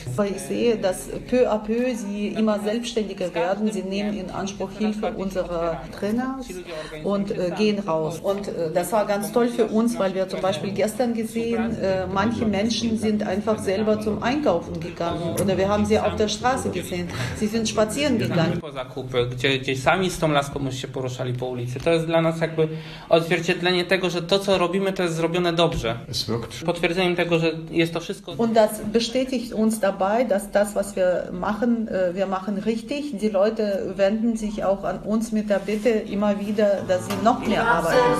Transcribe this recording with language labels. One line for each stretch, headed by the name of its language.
German: Weil ich sehe, dass
French: peu à peu
German: sie immer selbstständiger werden, sie nehmen in Anspruch Hilfe unserer Trainers und gehen raus. Und das war ganz toll für uns, weil wir zum Beispiel gestern gesehen, manche Menschen sind einfach selber zum Einkaufen gegangen oder wir haben sie auf der Straße gesehen. Sie sind spazieren gegangen.
Polish: Gdzieś sami z tą laską się poruszali po ulicy. To jest dla nas jakby odzwierciedlenie tego, że to, co robimy, to jest zrobione dobrze.
German: Es wirkt.
Polish: Potwierdzeniem tego, że jest to wszystko.
German: Und das bestätigt uns dabei, dass das, was wir machen richtig. Die Leute wenden sich auch an uns mit der Bitte immer wieder, dass sie noch mehr arbeiten.